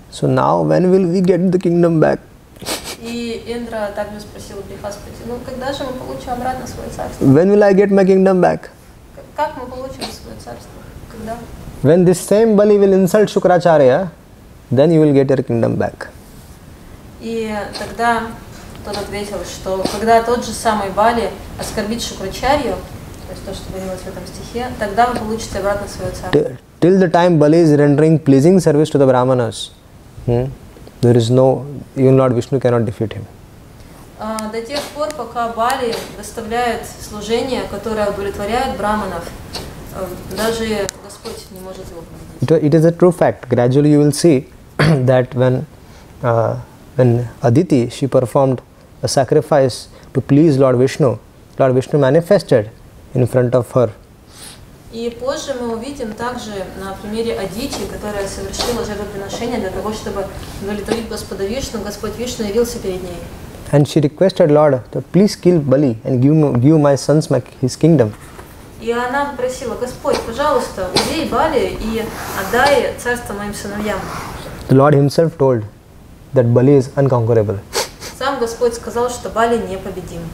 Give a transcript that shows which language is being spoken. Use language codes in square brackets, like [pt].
[en] So now, when will we get the kingdom back? [ru] И Индра также спросил Брихаспати, ну когда же мы получим обратно свое царство? [en] When will I get my kingdom back? [ru] Как мы получим свое царство? Когда? [en] When this same Bali will insult Shukracharya, then you will get your kingdom back. [ru] И тогда тот ответил, что когда тот же самый Бали оскорбит Шукрачарью, то есть то, что говорилось в этом стихе, тогда вы получите обратно свое царство. [en] Till the time Bali is rendering pleasing service to the Brahmanas, there is no, even Lord Vishnu cannot defeat him. [ru] До тех пор, пока Бали доставляет служение, которое удовлетворяет Брахманов, даже Господь не может его победить. [en] It is a true fact. Gradually you will see that when Aditi, she performed a sacrifice to please Lord Vishnu manifested in front of her. [ru] И позже мы увидим также на примере Адити, которая совершила жертвоприношение для того, чтобы удовлетворить Господа Вишну, Господь Вишну явился перед ней. [en] And she requested Lord to please kill Bali and give my sons his kingdom. [ru] И она попросила, Господь, пожалуйста, убей Бали и отдай царство моим сыновьям. [en] The Lord himself told that Bali is unconquerable. [ru] Сам Господь сказал, что Бали непобедим.